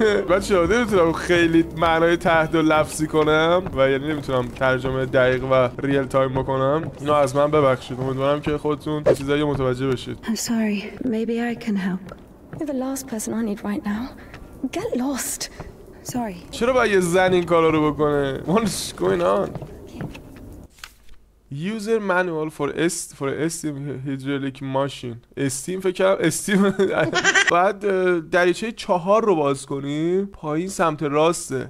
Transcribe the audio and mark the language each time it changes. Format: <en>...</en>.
<fa>بچه ها نمیتونم خیلی معنای تحت و لفظی کنم و یعنی نمیتونم ترجمه دقیق و ریل تایم بکنم. اینو از من ببخشید. امیدوارم که خودتون یه چیزایی متوجه بشید.</fa> <en>I'm sorry. Maybe I can help. You're the last person I need right now. Get lost. Sorry.</en> <fa>چرا باید یه زن این کارا رو بکنه؟</fa> <en>What's going on? User manual for Steam hydraulic machine.</en> <fa>Steam فکر کنم Steam. بعد دریچه 4 رو باز کنیم. پایین سمت راسته.</fa>